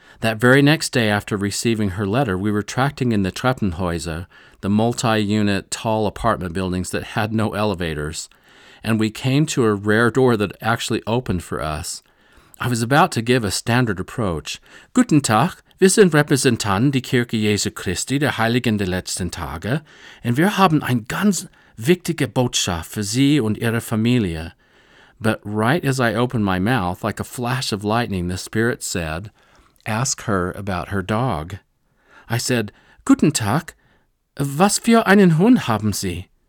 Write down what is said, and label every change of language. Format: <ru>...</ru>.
<en>That very next day after receiving her letter, we were tracting in the Treppenhäuser, the multi-unit tall apartment buildings that had no elevators, and we came to a rare door that actually opened for us. I was about to give a standard approach.</en> <de>Guten Tag! Wir sind Repräsentanten der Kirche Jesu Christi, der Heiligen der letzten Tage, und wir haben eine ganz wichtige Botschaft für Sie und Ihre Familie.</de> <en>But right as I opened my mouth, like a flash of lightning, the Spirit said, ask her about her dog. I said,</en> <de>Guten Tag, was für einen Hund haben Sie?</de>